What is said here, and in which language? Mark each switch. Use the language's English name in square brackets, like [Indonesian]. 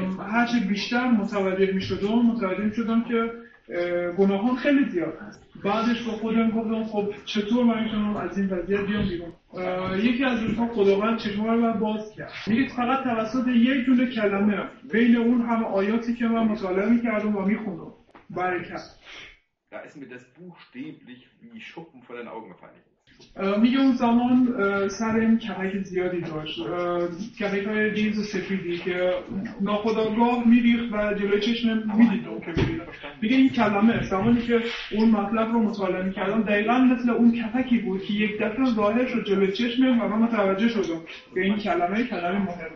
[Persian] هرچه بیشتر متوجه میشدم که گناهان خیلی زیاد هست. بعدش با خودم گفتم خب چطور من میتونم از این وضعیت بیام بیرون؟ یکی از روزها خداوند چشم رو من باز کرد. میگه فقط توسط یک دونه کلمه بین اون همه آیاتی که من مطالعه میکردم و میخوندم برکت. [German] Da ist mir das buchstäblich wie Schuppen vor den Augen gefallen. [Persian] میگه اون زمان سرم کرک زیادی داشت. کرک های جینز سفیدی که ناخودآگاه میریخت و جلوی چشمم میدید اون که میبینم. میگه این کلمه زمانی که اون مطلب رو مطالعه میکردم دقیقا مثل اون کرکی بود که یک دفعه ظاهر شد جلوی چشمم و من متوجه شدم که این کلمه مهمه.